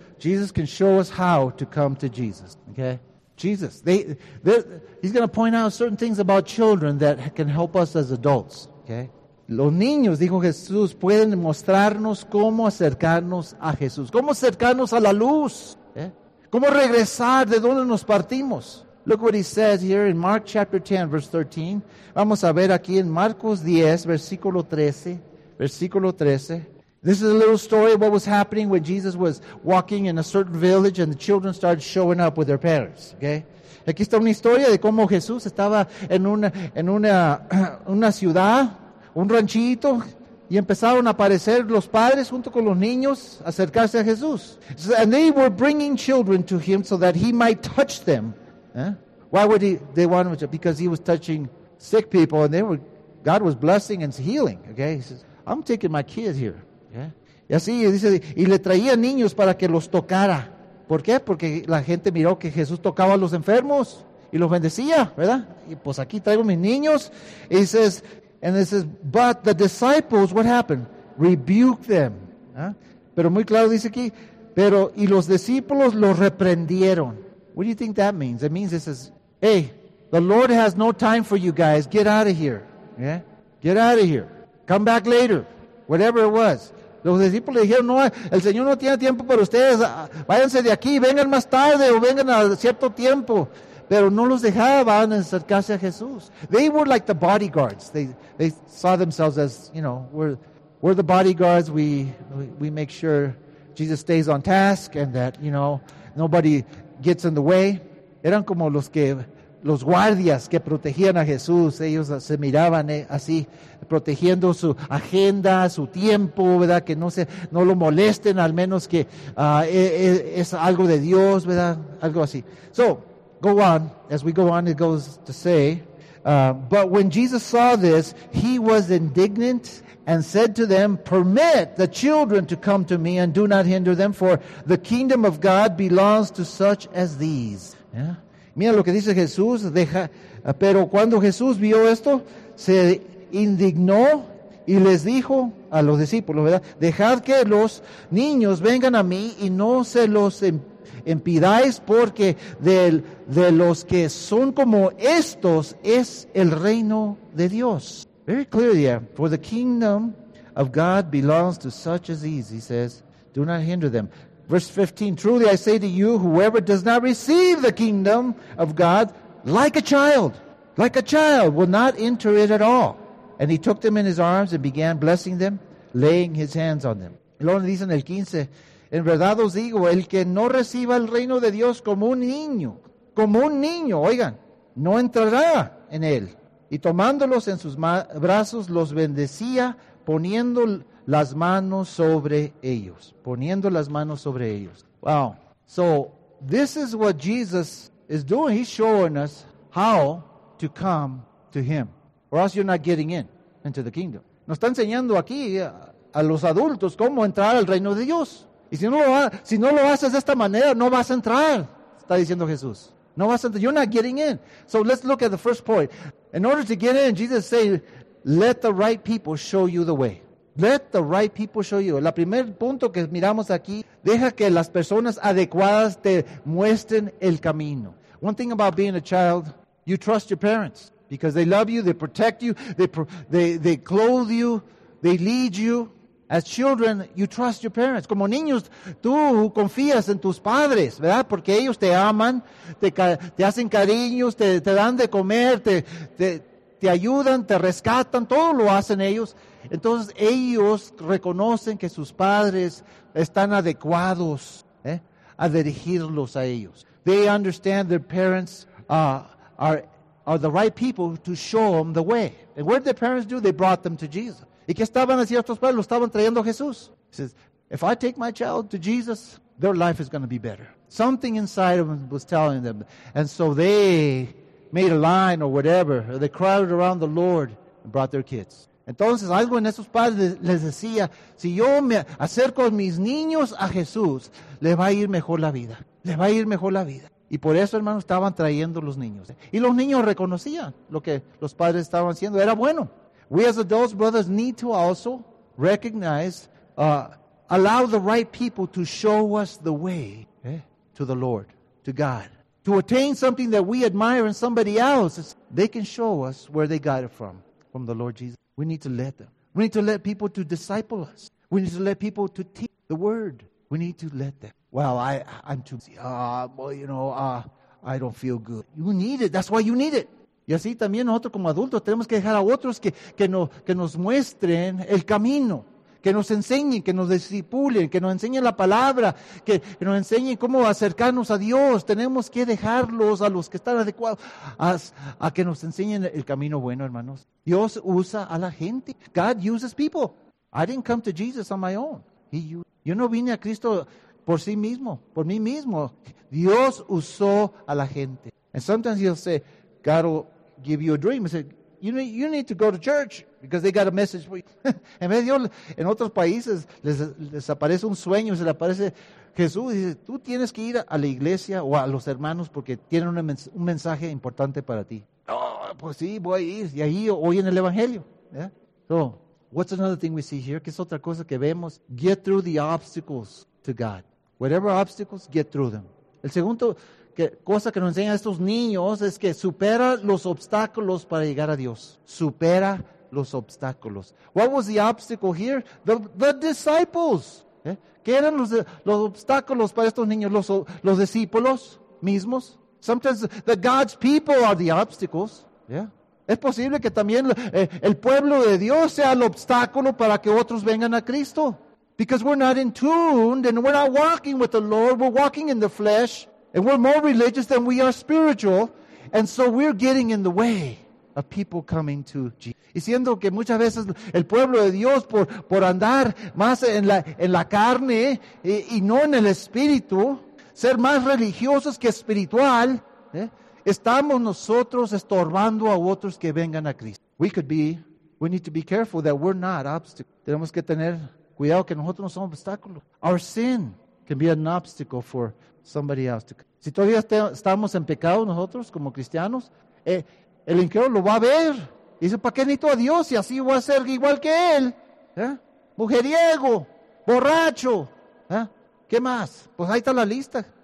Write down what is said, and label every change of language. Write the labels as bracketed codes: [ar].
[en] Jesus can show us how to come to Jesus, okay? Jesus, he's going to point out certain things about children that can help us as adults, okay? [es] Los niños, dijo Jesús, pueden mostrarnos cómo acercarnos a Jesús, cómo acercarnos a la luz, okay? Cómo regresar de donde nos partimos. [en] Look what he says here in Mark chapter 10, verse 13. [es] Vamos a ver aquí en Marcos 10, versículo 13, versículo 13. [en] This is a little story of what was happening when Jesus was walking in a certain village and the children started showing up with their parents, okay? [es] Aquí está una historia de cómo Jesús estaba en una ciudad, un ranchito, y empezaron a aparecer los padres junto con los niños acercarse a Jesús. [en] And they were bringing children to him so that he might touch them. Eh? Why would they want him to? Because he was touching sick people and God was blessing and healing, okay? He says, I'm taking my kids here. [es] Y así dice, y le traía niños para que los tocara. ¿Por qué? Porque la gente miró que Jesús tocaba a los enfermos y los bendecía, ¿verdad? Y pues aquí traigo mis niños. Y dice, [en] but the disciples, what happened? Rebuked them. [es] ¿Ah? Pero muy claro dice aquí, pero y los discípulos los reprendieron. [en] What do you think that means? It means, hey, the Lord has no time for you guys. Get out of here. Yeah? Get out of here. Come back later. Whatever it was. [es] Los discípulos le dijeron, no, el Señor no tiene tiempo para ustedes, váyanse de aquí, vengan más tarde o vengan a cierto tiempo. Pero no los dejaban acercarse a Jesús. [en] They were like the bodyguards. They saw themselves as, you know, we're the bodyguards. We make sure Jesus stays on task and that, you know, nobody gets in the way. [es] Eran como los guardias que protegían a Jesús. Ellos se miraban así, protegiendo su agenda, su tiempo, ¿verdad? Que no lo molesten, al menos que es algo de Dios, ¿verdad? Algo así. [en] So, go on. As we go on, it goes to say, but when Jesus saw this, he was indignant and said to them, permit the children to come to me and do not hinder them, for the kingdom of God belongs to such as these. Yeah. [es] Mira lo que dice Jesús, pero cuando Jesús vio esto, se indignó Y les dijo a los discípulos, ¿verdad? Dejad que los niños vengan a mí y no se los impidáis, porque de los que son como estos es el reino de Dios. [en] Very clear, yeah. For the kingdom of God belongs to such as these, he says. Do not hinder them. Verse 15, truly I say to you, whoever does not receive the kingdom of God like a child, will not enter it at all. And he took them in his arms and began blessing them, laying his hands on them. [es] Y luego le dicen el 15, en verdad os digo, el que no reciba el reino de Dios como un niño, oigan, no entrará en él. Y tomándolos en sus brazos, los bendecía, poniendo las manos sobre ellos. Poniendo las manos sobre ellos. [en] Wow. So, this is what Jesus is doing. He's showing us how to come to him. Or else you're not getting in into the kingdom. [es] Nos está enseñando aquí a los adultos cómo entrar al reino de Dios. Y si no lo haces de esta manera, no vas a entrar, está diciendo Jesús. No vas a entrar. [en] You're not getting in. So let's look at the first point. In order to get in, Jesus said, let the right people show you the way. Let the right people show you. [es] El primer punto que miramos aquí, deja que las personas adecuadas te muestren el camino. [en] One thing about being a child, you trust your parents. Because they love you, they protect you, they clothe you, they lead you. As children, you trust your parents. [es] Como niños, tú confías en tus padres, ¿verdad? Porque ellos te aman, te hacen cariños, te dan de comer, te ayudan, te rescatan, todo lo hacen ellos. Entonces, ellos reconocen que sus padres están adecuados a dirigirlos a ellos. [en] They understand their parents are the right people to show them the way. And what did their parents do? They brought them to Jesus. [es] ¿Y qué estaban haciendo estos padres? Lo estaban trayendo a Jesús. [en] He says, if I take my child to Jesus, their life is going to be better. Something inside of them was telling them. And so they made a line or whatever. Or they crowded around the Lord and brought their kids. [es] Entonces, algo en esos padres les decía, si yo me acerco a mis niños a Jesús, les va a ir mejor la vida. Les va a ir mejor la vida. Y por eso, hermanos, estaban trayendo los niños. Y los niños reconocían lo que los padres estaban haciendo. Era bueno. [en] We as adults, brothers, need to also recognize, allow the right people to show us the way to the Lord, to God. To attain something that we admire in somebody else, they can show us where they got it from the Lord Jesus. We need to let them. We need to let people to disciple us. We need to let people to teach the word. We need to let them. Well, I'm too busy. I don't feel good. You need it. That's why you need it. [es] Y así también nosotros como adultos tenemos que dejar a otros que nos muestren el camino, que nos enseñen, que nos discipulen, que nos enseñen la palabra, que nos enseñen cómo acercarnos a Dios. Tenemos que dejarlos a los que están adecuados a que nos enseñen el camino bueno, hermanos. Dios usa a la gente. [en] God uses people. I didn't come to Jesus on my own. [es] Yo no vine a Cristo por sí mismo, por mí mismo. Dios usó a la gente. [en] And sometimes he'll say, God will give you a dream. He said, you need to go to church because they got a message for you. [es] En vez de Dios, en otros países les aparece un sueño, se le aparece Jesús y dice, tú tienes que ir a la iglesia o a los hermanos porque tienen un mensaje importante para ti. Oh, pues sí, voy a ir. Y ahí oyen el evangelio. [en] Yeah? So, what's another thing we see here? [es] ¿Qué es otra cosa que vemos? [en] Get through the obstacles to God. Whatever obstacles, get through them. [es] El segundo cosa que nos enseñan estos niños es que supera los obstáculos para llegar a Dios. Supera los obstáculos. [en] What was the obstacle here? The disciples. [es] ¿Qué eran los obstáculos para estos niños? Los discípulos mismos. [en] Sometimes the God's people are the obstacles. Yeah. [es] Es posible que también el pueblo de Dios sea el obstáculo para que otros vengan a Cristo. [en] Because we're not in tune and we're not walking with the Lord. We're walking in the flesh. And we're more religious than we are spiritual. And so we're getting in the way of people coming to Jesus. [es] Y siendo que muchas veces el pueblo de Dios por andar más en la carne y no en el espíritu, ser más religiosos que espiritual, estamos nosotros estorbando a otros que vengan a Cristo. [en] We need to be careful that we're not obstacles. [es] Tenemos que tener cuidado que nosotros no somos obstáculos. [en] Our sin can be an obstacle for somebody else to come. [es] Si todavía estamos en pecado nosotros como cristianos, el incrédulo lo va a ver Dice, ¿para qué necesito a Dios si así voy a ser igual que él? Mujeriego, borracho. ¿Qué más? Pues ahí está la lista.